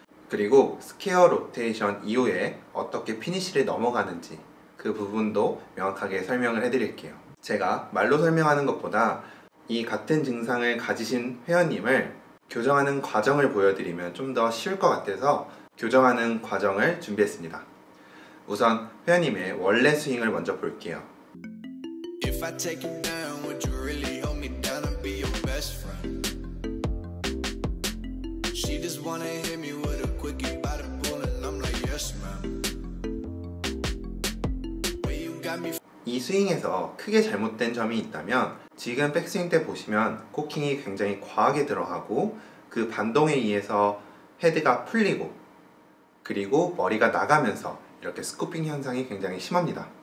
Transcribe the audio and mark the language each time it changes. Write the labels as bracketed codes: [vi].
[ko] 그리고 스퀘어 로테이션 이후에 어떻게 피니쉬를 넘어가는지 그 부분도 명확하게 설명을 해드릴게요. 제가 말로 설명하는 것보다 이 같은 증상을 가지신 회원님을 교정하는 과정을 보여드리면 좀더 쉬울 것 같아서 교정하는 과정을 준비했습니다. 우선 회원님의 원래 스윙을 먼저 볼게요. [en] If I take you down, would you really hold me down and be your best friend? She just wanna hit me with a quickie by the pool and I'm like, yes, ma'am. When you got me. [ko] 이 스윙에서 크게 잘못된 점이 있다면 지금 백스윙 때 보시면 코킹이 굉장히 과하게 들어가고 그 반동에 의해서 헤드가 풀리고 그리고 머리가 나가면서 이렇게 스쿠핑 현상이 굉장히 심합니다.